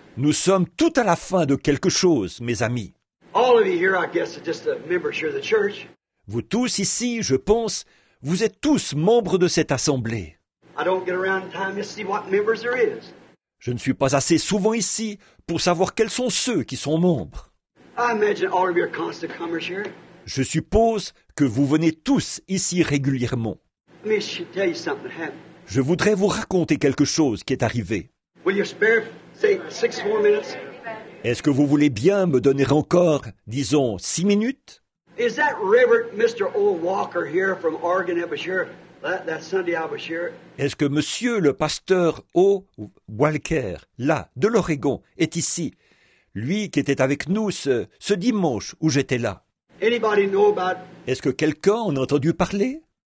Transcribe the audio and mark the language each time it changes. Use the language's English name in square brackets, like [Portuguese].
[French] Nous sommes tout à la fin de quelque chose, mes amis. [English] All of you here, I guess, are just a member of the church. [French] Vous tous ici, je pense, vous êtes tous membres de cette assemblée. [English] I don't get around in time to see what members there is. [French] Je ne suis pas assez souvent ici pour savoir quels sont ceux qui sont membres. [English] I imagine all of you are constant comers here. [French] Je suppose que vous venez tous ici régulièrement. [English] Let me tell you something that happened. [French] Je voudrais vous raconter quelque chose qui est arrivé. [English] Will you spare, say, six more minutes? [French] Est-ce que vous voulez bien me donner encore, disons, 6 minutes? [English] Is that Reverend Mr. Old Walker here from Oregon that was here that Sunday I was here? [French] Est-ce que Monsieur le pasteur O. Walker, là, de l'Oregon, est ici? Lui qui était avec nous ce dimanche où j'étais là. [English] Anybody know about? [French] Est-ce que quelqu'un en a entendu parler?